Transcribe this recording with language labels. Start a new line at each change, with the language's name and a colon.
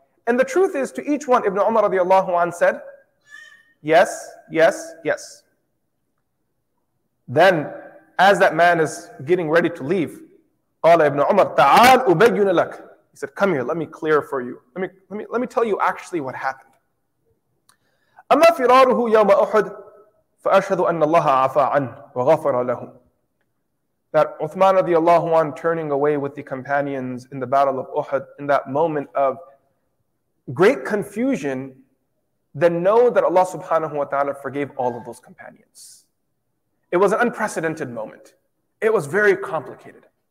English: And the truth is, to each one, Ibn Umar radiallahu anh said, yes, yes, yes. Then, as that man is getting ready to leave, قال Ibn Umar,
Arabic: تعال أبين لك.
English: He said, come here, let me clear for you. Let me tell you actually what happened.
Arabic: أما فراره يوم أحد فأشهد أن الله عفا عنه وغفر له.
English: That Uthman radiallahu anh turning away with the companions in the battle of Uhud, in that moment of great confusion, then know that Allah subhanahu wa ta'ala forgave all of those companions. It was an unprecedented moment. It was very complicated.